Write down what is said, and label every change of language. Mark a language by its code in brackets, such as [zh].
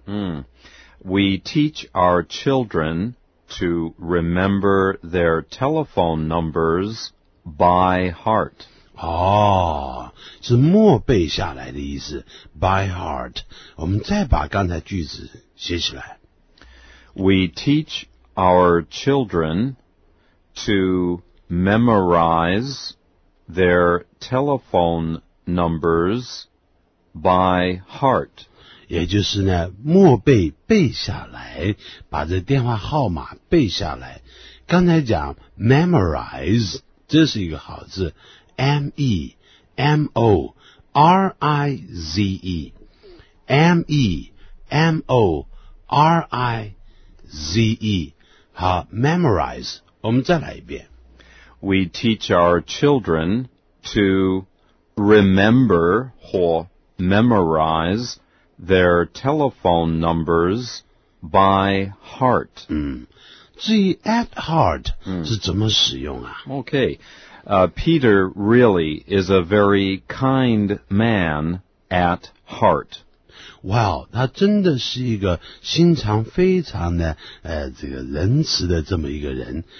[en] 嗯 ，We teach our children to remember their telephone numbers by heart。 [zh] 哦，是默背下来的意思 , [en] by heart。 [zh] 我们再把刚才句子写起来。 [en] We teach our children to memorize their telephone numbers by heart。 [zh] 也就是呢默背背下来，把这电话号码背下来。刚才讲 memorize, 这是一个好字。 [en] M-E-M-O-R-I-Z-E M-E-M-O-R-I-Z-E 好 ,memorize, [zh] 我们再来一遍。 [en] We teach our children to remember or memorize their telephone numbers by heart. [zh] 至于 at heart 是怎么使用啊？ [en] Okay. Peter really is a very kind man at heart. [zh] Wow, 他真的是一个心肠非常的这个仁慈的这么一个人。